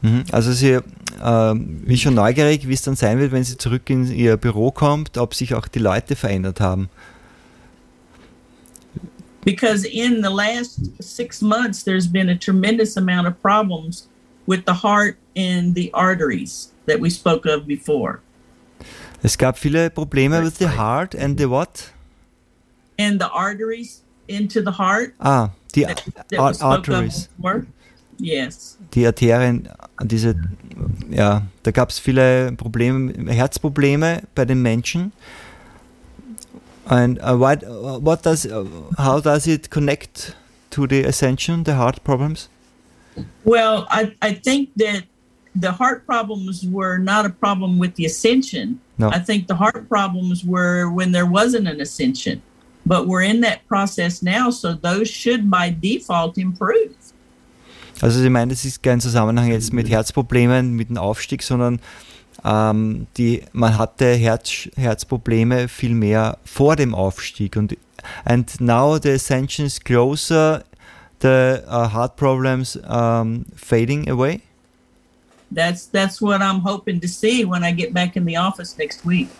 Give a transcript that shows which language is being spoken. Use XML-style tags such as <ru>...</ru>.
<de>Also sie ist schon neugierig, wie es dann sein wird, wenn sie zurück in ihr Büro kommt, ob sich auch die Leute verändert haben.</de> <en>Because in the last 6 months there's been a tremendous amount of problems with the heart and the arteries that we spoke of before.</en> <de>Es gab viele Probleme mit</de> <en>the heart and the what? And the arteries into the heart.</en> <de>Ah, die arteries.</de> <en>Yes.</en> <de>Die Arterien, diese, ja, da gab es viele Probleme, Herzprobleme bei den Menschen.</de> <en>And how does it connect to the ascension, the heart problems? Well, I think that the heart problems were not a problem with the ascension. No. I think the heart problems were when there wasn't an ascension. But we're in that process now, so those should by default improve.</en> <de>Also sie meint, es ist kein Zusammenhang jetzt mit Herzproblemen, mit dem Aufstieg, sondern man hatte Herzprobleme viel mehr vor dem Aufstieg.</de> <en>And now the ascension is closer, the heart problems fading away? That's what I'm hoping to see when I get back in the office next week.</en>